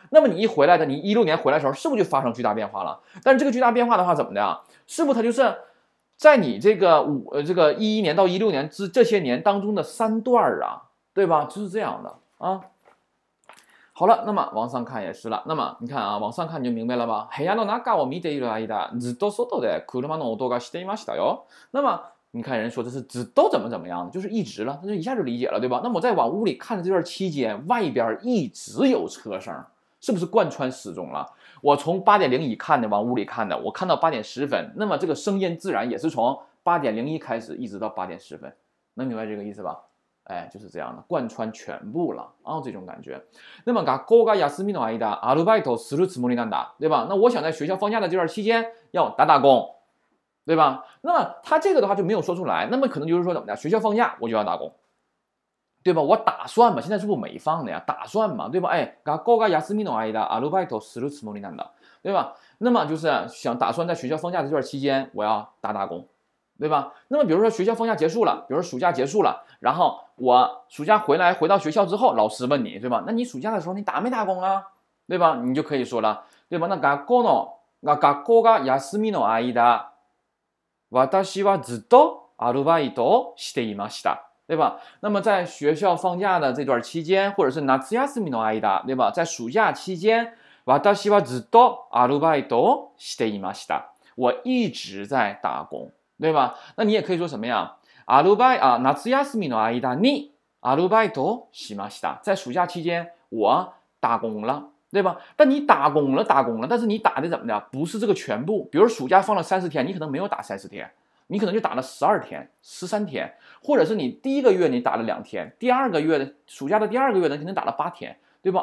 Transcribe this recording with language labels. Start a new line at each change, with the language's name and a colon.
Chinese: 那么你一回来的，你16年回来的时候是不是就发生巨大变化了？但是这个巨大变化的话怎么的啊，是不是它就是在你这个11年到16年这些年当中的三段啊，对吧？就是这样的啊。好了，那么往上看也是了。那么你看啊，往上看你就明白了吧。
Japanese: 部屋の中を見ている間ずっと外で車の音がしていましたよ。
Chinese: 那么你看人说这是直都怎么怎么样，就是一直了，那就一下就理解了，对吧？那么我在往屋里看的这段期间外边一直有车声，是不是贯穿始终了？我从八点零一看的往屋里看的，我看到八点十分，那么这个声音自然也是从八点零一开始一直到八点十分，能明白这个意思吧？哎，就是这样的，贯穿全部了啊，这种感觉。那么
Japanese: 学校が休みの間アルバイトするつもりなんだ，
Chinese: 对吧？那我想在学校放假的这段期间要打打工，对吧？那么他这个的话就没有说出来，那么可能就是说怎么的，学校放假我就要打工，对吧？我打算嘛，现在是不是没放的呀，打算嘛，对吧？哎，
Japanese: 学校が休みの間アルバイトするつもりなんだ，
Chinese: 对吧？那么就是想打算在学校放假的这段期间我要打打工，对吧？那么比如说学校放假结束了，比如说暑假结束了，然后我暑假回来回到学校之后，老师问你，对吧？那你暑假的时候你打没打工啊？对吧？你就可以说了，对吧？那
Japanese: 学校の学校が休みの間、私はずっとアルバイトをしていました。
Chinese: 对吧？那么在学校放假的这段期间，或者是
Japanese: 夏休みの間，
Chinese: 对吧？在暑假期间，
Japanese: 私はずっとアルバイトをしていました。
Chinese: 我一直在打工，对吧？那你也可以说什么呀？
Japanese: アルバイ啊，夏休みの間にアルバイトをしました。
Chinese: 在暑假期间，我打工了，对吧？但你打工了，打工了，但是你打的怎么的？不是这个全部。比如暑假放了30天，你可能没有打30天。你可能就打了12天、13天，或者是你第一个月你打了2天，第二个月暑假的第二个月呢，可能打了8天，对吧？